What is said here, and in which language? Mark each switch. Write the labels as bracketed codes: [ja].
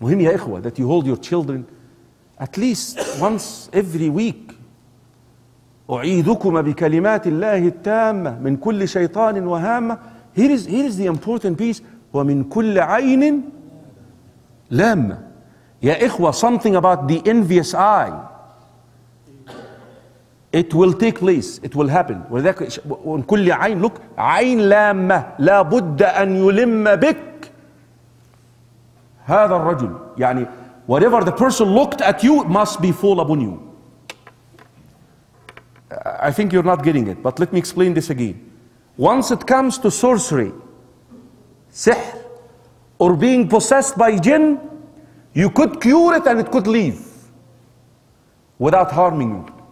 [ar] مهم يا إخوة [en] that you hold your children at least once every week. [ar] أعيذكما بكلمات الله التامة من كل شيطان وهامة. [en] Here is the important piece. [ar] ومن كل عين لامة. يا إخوة, [en] something about the envious eye. It will take place. It will happen. [ar] When كل عين, look, عين لامة, لا بد أن يلم بك هذا الرجل. [en] يعني whatever the person looked at you must be fall upon you. I think you're not getting it, but let me explain this again. Once it comes to sorcery, سحر, or being possessed by jinn, you could cure it and it could leave without harming you.